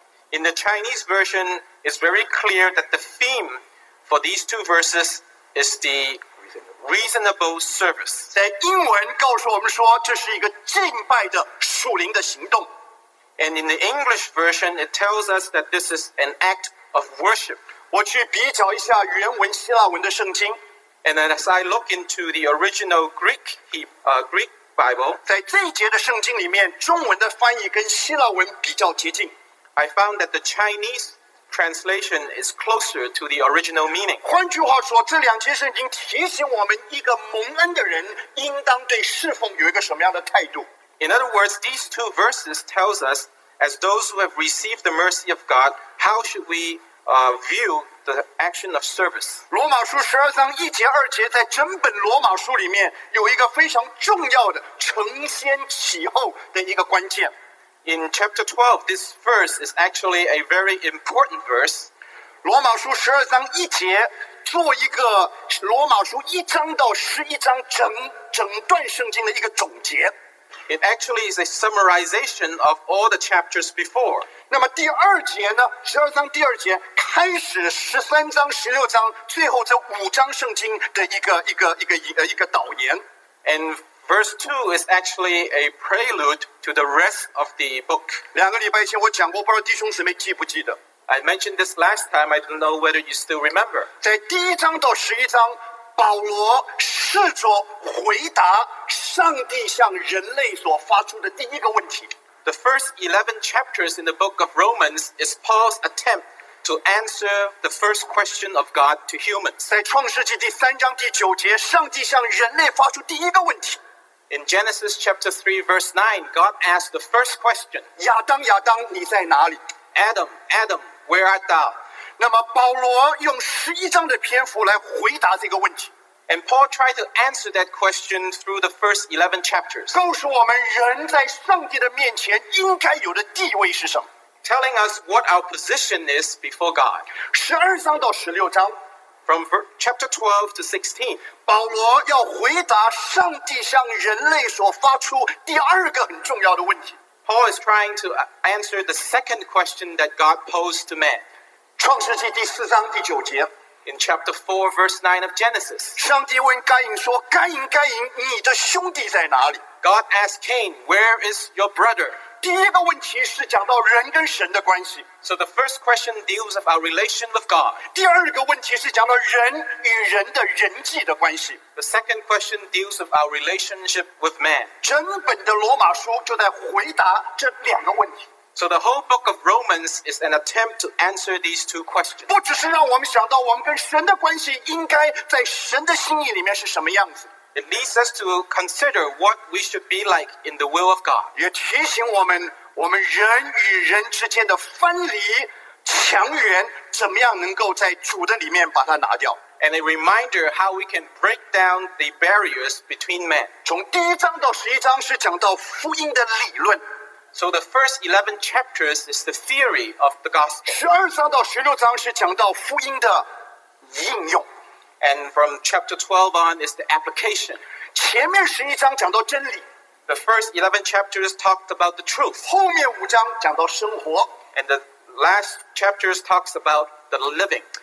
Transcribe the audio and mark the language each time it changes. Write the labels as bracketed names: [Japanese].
[English] In the Chinese version, it's very clear that the theme for these two verses is the reasonable service. [Chinese] 在英文告诉我们说，这是一个敬拜的属灵的行动。 [English] And in the English version, it tells us that this is an act of worship. [Chinese] 我去比较一下原文希腊文的圣经。 [English] And then as I look into the original Greek Bible, [Chinese] 在这一节的圣经里面，中文的翻译跟希腊文比较接近。 [English] I found that the Chinese translation is closer to the original meaning. [Chinese] 换句话说，这两节圣经提醒我们，一个蒙恩的人应当对侍奉有一个什么样的态度。 [English] In other words, these two verses tells us, as those who have received the mercy of God, how should we view the action of service? [Chinese] 罗马书十二章一节二节，在整本罗马书里面有一个非常重要的承先启后的一个关键。 [English] In chapter 12, this verse is actually a very important verse. [Chinese] 罗马书十二章一节，做一个罗马书一章到十一章整段圣经的一个总结。 [English] It actually is a summarization of all the chapters before. [Chinese] 那么第二节呢？十二章第二节开始，十三章、十六章，最后这五章圣经的一个导言。 [English] And verse 2 is actually a prelude to the rest of the book. [Chinese] 两个礼拜前我讲过，不知道弟兄姊妹记不记得 [English] ？I mentioned this last time. I don't know whether you still remember. [Chinese] 在第一章到十一章。保罗试着回答上帝向人类所发出的第一个问题。 [English] The first 11 chapters in the book of Romans is Paul's attempt to answer the first question of God to humans. [Chinese] 在创世纪第三章第九节，上帝向人类发出第一个问题。 [English] In Genesis chapter 3 verse 9, God asked the first question. [Chinese] 亚当，亚当，你在哪里？ [English] Adam, Adam, where art thou? [Chinese] 那么保罗用十一章的篇幅来回答这个问题。 [English] And Paul tried to answer that question through the first 11 chapters. [Chinese] 告诉我们人在上帝的面前应该有的地位是什么。 [English] Telling us what our position is before God. [Chinese] 十二章到十六章。 [English] From chapter 12 to 16, [Chinese] 保罗要回答上帝向人类所发出第二个很重要的问题。 [English] Paul is trying to answer the second question that God posed to man. [Chinese] 创世纪第四章第九节。 [English] In chapter 4, verse 9 of Genesis, [Chinese] 上帝问该隐说，该隐，该隐，你的兄弟在哪里？ [English] God asked Cain, where is your brother? [Chinese] 第一个问题是讲到人跟神的关系。 [English] So the first question deals with our relation with God. [Chinese] 第二个问题是讲到人与人的人际的关系。 [English] The second question deals with our relationship with man. [Chinese] 整本的罗马书就在回答这两个问题。 [English] So the whole book of Romans is an attempt to answer these two questions. [Chinese] 不只是让我们想到我们跟神的关系应该在神的心意里面是什么样子。 [English] It leads us to consider what we should be like in the will of God. [Chinese] 也提醒我们，我们人与人之间的分离、强援，怎么样能够在主的里面把它拿掉。 [English] And a reminder how we can break down the barriers between men. [Chinese] 从第一章到十一章是讲到福音的理论。 [English] So the first 11 chapters is the theory of the gospel. [Chinese] 12章到16章是讲到福音的应用。 [English] And from chapter 12 on is the application. [Chinese] 前面11章讲到真理。 [English] The first 11 chapters talked about the truth. [Chinese] 后面5章讲到生活。 [English] And the last chapters talks about the living.